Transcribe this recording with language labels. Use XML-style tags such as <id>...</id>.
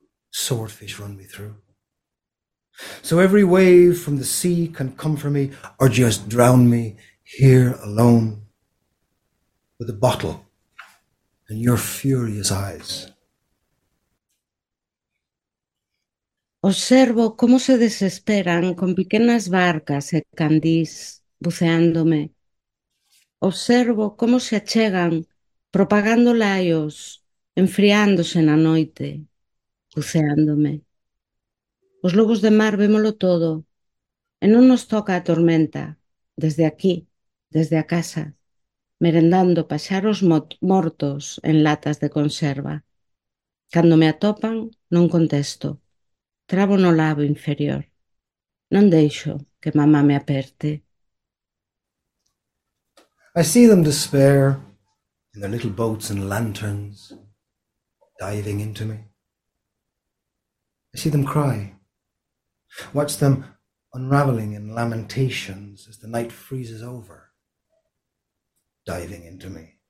<en>Swordfish run me through. So every wave from the sea can come for me or just drown me here alone. With a bottle and your furious eyes.</en> <gl>Observo cómo se desesperan con pequeñas barcas e candís buceándome. Observo cómo se achegan propagando laios, enfriándose na noite, buceándome. Os lobos de mar vémolo todo e non nos toca a tormenta desde aquí, desde a casa. Merendando paxaros mortos en latas de conserva. Cando me atopan, non contesto. Trabo no labo inferior. Non deixo que mamá me aperte.</gl> <en>I see them despair in their little boats and lanterns diving into me. I see them cry. Watch them unraveling in lamentations as the night freezes over. diving into me.</en>